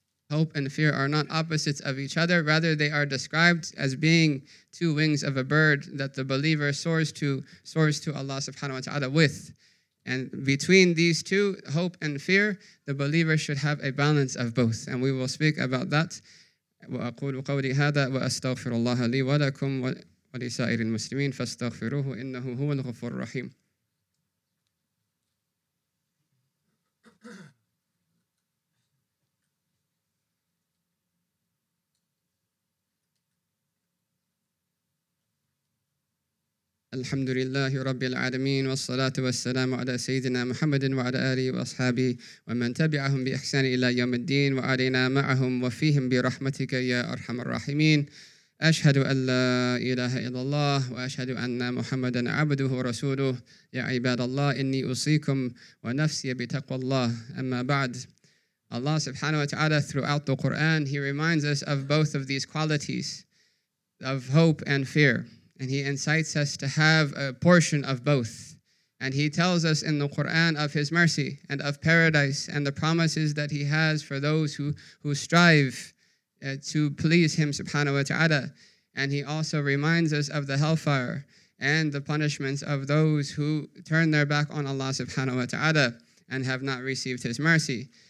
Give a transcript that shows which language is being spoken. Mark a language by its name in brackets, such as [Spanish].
[English] Hope and fear are not opposites of each other, rather they are described as being two wings of a bird that the believer soars to Allah subhanahu wa ta'ala with. And between these two, hope and fear, the believer should have a balance of both, and we will speak about that. [Arabic] وأقول قولي هذا وأستغفر الله لي ولكم ولسائر المسلمين فاستغفروه إنه هو الغفور الرحيم. الحمد لله رب العالمين والصلاة والسلام على سيدنا محمد وعلى آله وأصحابه ومن تبعهم بإحسان إلى يوم الدين وعلينا معهم وفيهم برحمتك يا أرحم الراحمين أشهد أن لا إله إلا الله وأشهد أن محمدا عبده ورسوله يا عباد الله إني أوصيكم ونفسي بتقوى الله أما بعد الله سبحانه وتعالى [English] throughout the Quran he reminds us of both of these qualities of hope and fear. And he incites us to have a portion of both. And he tells us in the Quran of his mercy and of paradise and the promises that he has for those who strive to please him subhanahu wa ta'ala. And he also reminds us of the hellfire and the punishments of those who turn their back on Allah subhanahu wa ta'ala and have not received his mercy.